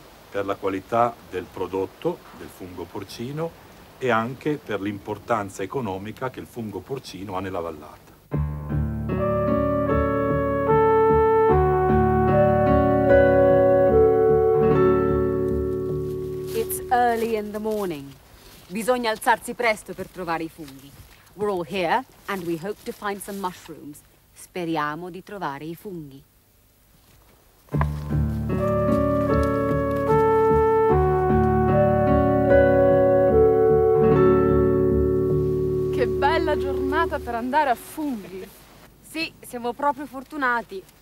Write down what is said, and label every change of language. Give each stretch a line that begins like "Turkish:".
Italian: Per la qualità del prodotto del fungo porcino e anche per l'importanza economica che il fungo porcino ha nella vallata.
English: Early in the morning.
Italian: Bisogna alzarsi presto per trovare I funghi.
English: We're all here and we hope to find some mushrooms.
Italian: Speriamo di trovare I funghi. Che bella giornata per andare a funghi. Sì, siamo proprio fortunati.